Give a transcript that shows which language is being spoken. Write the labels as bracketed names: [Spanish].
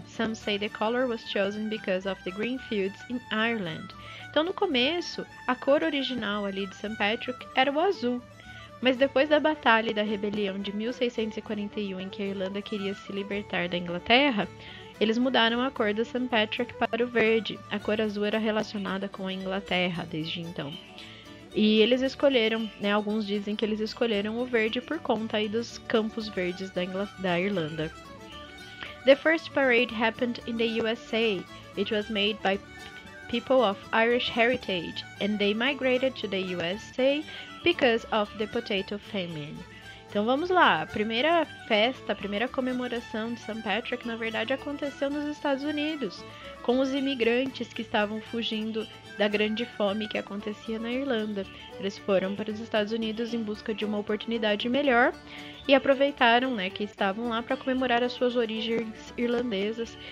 [English] Some say the color was chosen because of the green fields in Ireland. [Portuguese] Então, no começo, a cor original ali de St. Patrick era o azul. Mas depois da batalha e da rebelião de 1641, em que a Irlanda queria se libertar da Inglaterra, eles mudaram a cor do St. Patrick para o verde. A cor azul era relacionada com a Inglaterra desde então. E eles escolheram, né? Alguns dizem que eles escolheram o verde por conta aí dos campos verdes da Irlanda. [English] The first parade happened in the USA. It was made by people of Irish heritage, and they migrated to the USA because of the potato famine. [Portuguese] Então vamos lá, a primeira festa, a primeira comemoração de St. Patrick, na verdade, aconteceu nos Estados Unidos, com os imigrantes que estavam fugindo da grande fome que acontecia na Irlanda. Eles foram para os Estados Unidos em busca de uma oportunidade melhor e aproveitaram, né, que estavam lá para comemorar as suas origens irlandesas.